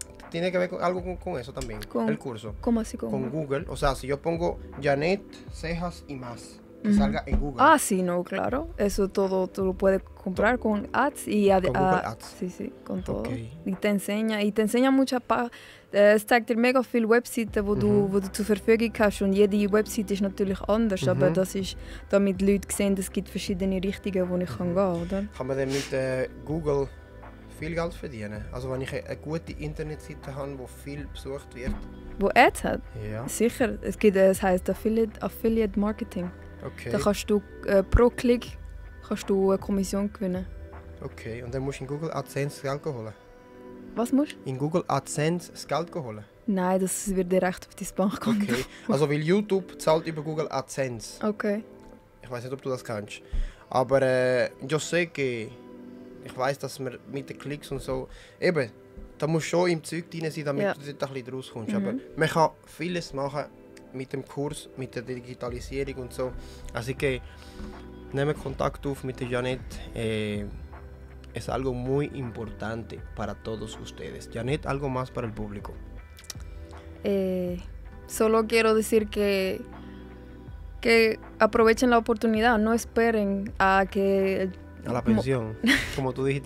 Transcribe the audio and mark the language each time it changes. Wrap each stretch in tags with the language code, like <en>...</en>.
<es>Tiene que ver algo con eso también, el Con, curso. ¿cómo así con? Con Google, o sea, si yo pongo Janet, cejas y más, que salga en Google. Ah, sí, no, claro. Eso todo tú lo puedes comprar con ads Con Google y Ads. sí, con todo. Okay. Y te enseña mucha pa</es> <de>zeigt dir mega viele Webseiten, wo du zur Verfügung hast. Und jede Webseite ist natürlich anders, aber das ist, damit die Leute sehen, es gibt verschiedene Richtungen, wo ich kann gehen, oder? Kann man denn mit Google viel Geld verdienen? Also wenn ich eine gute Internetseite habe, wo viel besucht wird. Wo Ads hat? Ja. Sicher. Es heißt Affiliate Marketing. Da Okay. kannst du pro Klick kannst du eine Kommission gewinnen. Okay, und dann musst du in Google AdSense Geld holen. Was musst du? In Google AdSense das Geld holen. Nein, das wird direkt auf dein Okay, Bankkonto. also weil YouTube zahlt über Google AdSense. Okay. Ich weiß nicht, ob du das kannst. Aber ich weiß, dass man mit den Klicks und so. Eben, da muss schon im Zeug drin sein, damit Ja. du dort ein bisschen rauskommst. Aber man kann vieles machen mit dem Kurs, mit der Digitalisierung und so. Also, okay, nehme Kontakt auf mit der Janet. Es ist</de> <es>algo muy importante para todos ustedes. Janet, algo más para el público. Solo quiero decir que aprovechen la oportunidad, no esperen a que A la pensión, como tú dijiste</es>